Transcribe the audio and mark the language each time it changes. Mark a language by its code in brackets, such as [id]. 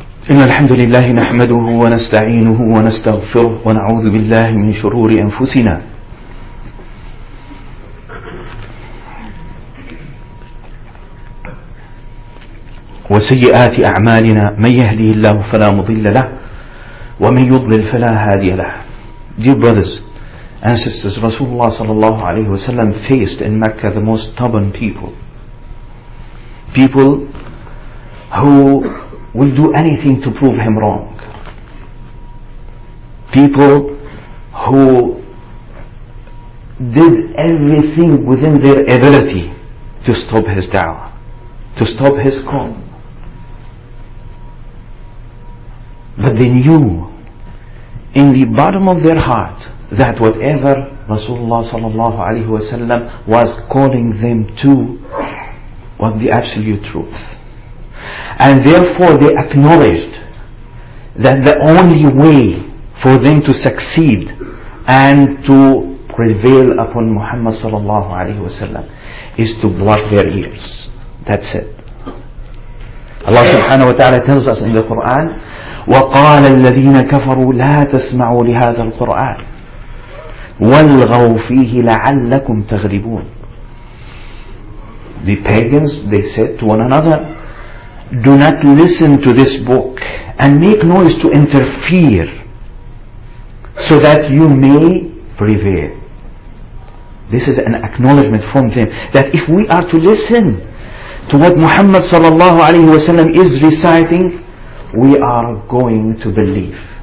[ar] إن الحمد لله نحمده ونستعينه ونستغفره ونعوذ بالله من شرور أنفسنا وسيئات أعمالنا، من يهدي الله فلا مضل له ومن يضلل فلا هادي له. [en] Dear brothers and sisters, Rasulullah sallallahu alayhi wa sallam faced in Mecca the most stubborn people. People who will do anything to prove him wrong. People who did everything within their ability to stop his da'wah, to stop his call. But they knew in the bottom of their heart that whatever Rasulullah sallallahu alayhi wa sallam was calling them to was the absolute truth. And therefore they acknowledged that the only way for them to succeed and to prevail upon Muhammad sallallahu alayhi wa sallam is to block their ears. That's it. Allah subhanahu wa ta'ala tells us in the Quran, [ar] وقال الذين كفروا لا تسمعوا لهذا القرآن والغوا فيه لعلكم تغلبون. [en] The pagans, they said to one another, do not listen to this book and make noise to interfere so that you may prevail. This is an acknowledgement from them that if we are to listen to what Muhammad sallallahu alayhi wa sallam is reciting, we are going to believe.